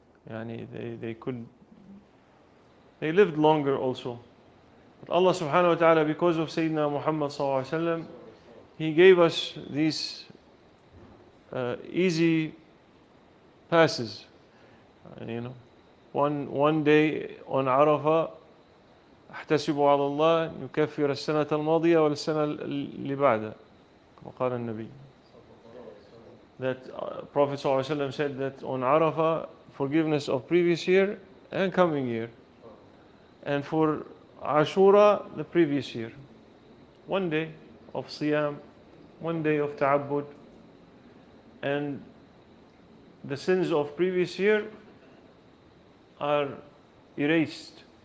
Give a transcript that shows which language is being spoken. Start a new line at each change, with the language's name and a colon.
English: Yani they lived longer also. But Allah subhanahu wa ta'ala, because of Sayyidina Muhammad sallallahu alayhi wa sallam, He gave us these easy passes, you know. One day on Arafah,
Arabic: أحتسب على الله يكفر السنة الماضية والسنة اللي بعدها, كما قال النبي.
English: That Prophet صلى الله عليه وسلم said that on Arafah, forgiveness of previous year and coming year, and for Ashura the previous year, one day of Siyam, one day of Ta'abbud, and the sins of previous year are erased.